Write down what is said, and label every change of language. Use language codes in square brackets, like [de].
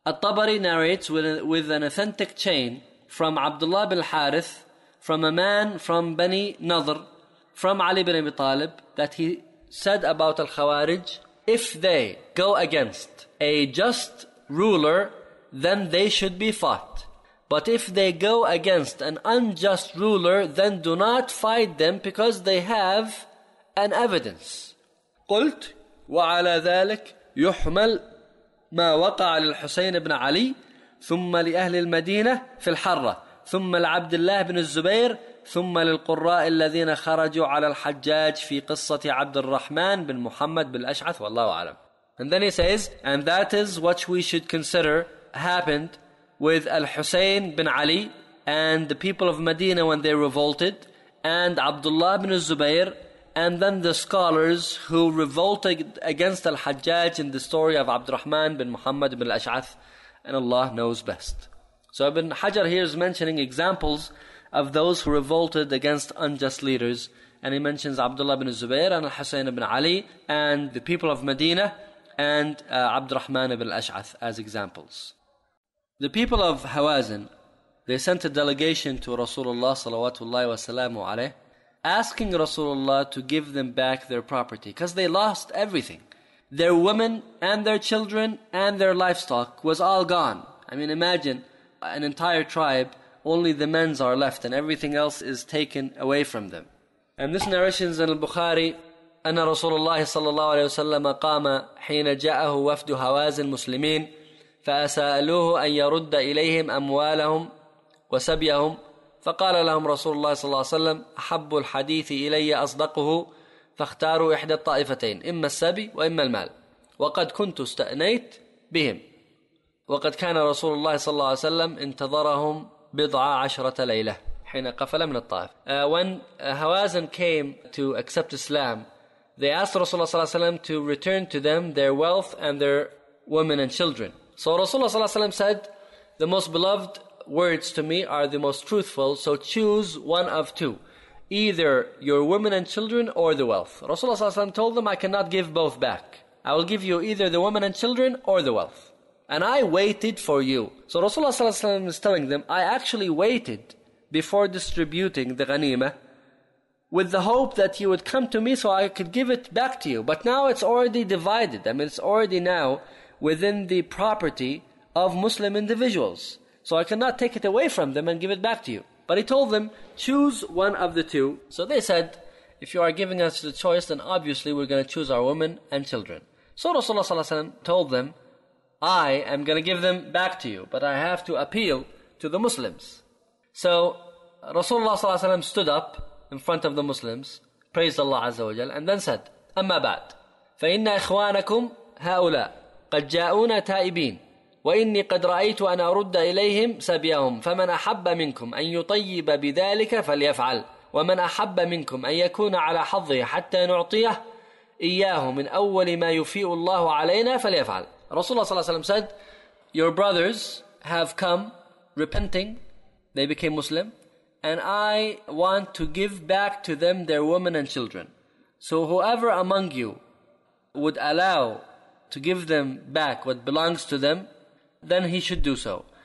[en] الطبري narrates with an authentic chain from Abdullah bin al-Harith, from a man from Bani Nadr, from Ali bin Abi Talib, that he said about al-Khawarij, if they go against a just ruler, then they should be fought. But if they go against an unjust ruler, then do not fight them because they have an evidence. [ar] قلت وعلى ذلك يحمل ما وقع للحسين بن علي ثم لأهل المدينة في الحرة ثم لعبد الله بن الزبير ثم للقراء الذين خرجوا على الحجاج في قصة عبد الرحمن بن محمد بالأشعث والله أعلم. [en] And then he says, and that is what we should consider happened with Al-Husayn bin Ali and the people of Medina when they revolted, and Abdullah bin Zubayr, and then the scholars who revolted against Al-Hajjaj in the story of Abd al-Rahman bin Muhammad bin al-Ash'ath, and Allah knows best. So Ibn Hajar here is mentioning examples of those who revolted against unjust leaders, and he mentions Abdullah bin Zubayr and Al-Husayn bin Ali and the people of Medina and Abd al-Rahman bin al-Ash'ath as examples. The people of Hawazin, they sent a delegation to Rasulullah salawatullahi wa salamu alayhi, asking Rasulullah to give them back their property, because they lost everything. Their women and their children and their livestock was all gone. I mean, imagine an entire tribe, only the men's are left and everything else is taken away from them. And this narration is in al-Bukhari, [ar] أن رسول الله صلى الله عليه وسلم قام حين جاءه وفد هواز المسلمين فأسألوه أن يرد إليهم أموالهم وسبيهم فقال لهم رسول الله صلى الله عليه وسلم أحب الحديث إلي أصدقه فاختاروا إحدى الطائفتين إما السبي وإما المال وقد كنت استأنيت بهم وقد كان رسول الله صلى الله عليه وسلم انتظرهم بضع عشرة ليلة حين قفل من الطائف. [en] When Hawazin came to accept Islam, they asked Rasulullah ﷺ to return to them their wealth and their women and children. So Rasulullah ﷺ said, the most beloved words to me are the most truthful, so choose one of two, either your women and children or the wealth. Rasulullah ﷺ told them, I cannot give both back. I will give you either the women and children or the wealth. And I waited for you. So Rasulullah ﷺ is telling them, I actually waited before distributing the ghanima, with the hope that you would come to me so I could give it back to you. But now it's already divided. I mean, it's already now within the property of Muslim individuals. So I cannot take it away from them and give it back to you. But he told them, choose one of the two. So they said, if you are giving us the choice, then obviously we're going to choose our women and children. So Rasulullah ﷺ told them, I am going to give them back to you, but I have to appeal to the Muslims. So Rasulullah ﷺ stood up in front of the Muslims, praised Allah Azza wa Jal, and then said, [ar] أما بعد فإن إخوانكم هؤلاء قد جاءونا تائبين وإني قد رأيت أن أرد إليهم سبيهم فمن أحب منكم أن يطيب بذلك فليفعل ومن أحب منكم أن يكون على حظه حتى نعطيه إياه من أول ما يفيء الله علينا فليفعل. رسول الله صلى الله عليه وسلم [en] said, your brothers have come repenting, they became Muslim, and I want to give back to them their women and children. So whoever among you would allow to give them back what belongs to them, then he should do so.